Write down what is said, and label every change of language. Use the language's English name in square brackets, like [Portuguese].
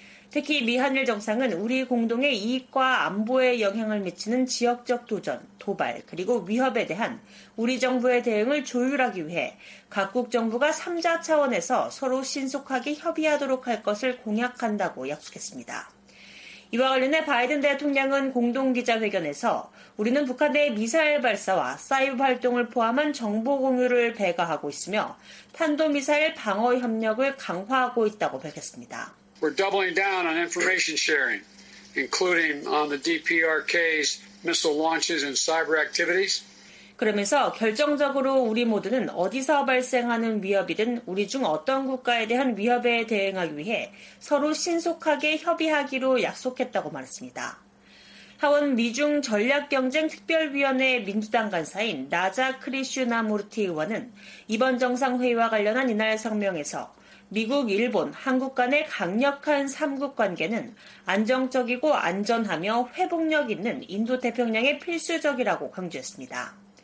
[Korean] 특히 미한일 정상은 우리 공동의 이익과 안보에 영향을 미치는 지역적 도전, 도발, 그리고 위협에 대한 우리 정부의 대응을 조율하기 위해 각국 정부가 3자 차원에서 서로 신속하게 협의하도록 할 것을 공약한다고 약속했습니다. 이와 관련해 바이든 대통령은 공동기자회견에서 우리는 북한의 미사일 발사와 사이버 활동을 포함한 정보 공유를 배가하고 있으며 탄도미사일 방어 협력을 강화하고 있다고 밝혔습니다. [English] We're doubling down on information sharing, including on the DPRK's missile launches and cyber activities. [Korean] 그러면서 결정적으로 우리 모두는 어디서 발생하는 위협이든 우리 중 어떤 국가에 대한 위협에 대응하기 위해 서로 신속하게 협의하기로 약속했다고 말했습니다. 하원 미중 전략경쟁특별위원회 민주당 간사인 나자 크리슈나무르티 의원은 이번 정상회의와 관련한 이날 성명에서 미국, 일본, 한국 간의 강력한 3국 관계는 안정적이고 안전하며 회복력 있는 인도태평양에 필수적이라고 강조했습니다.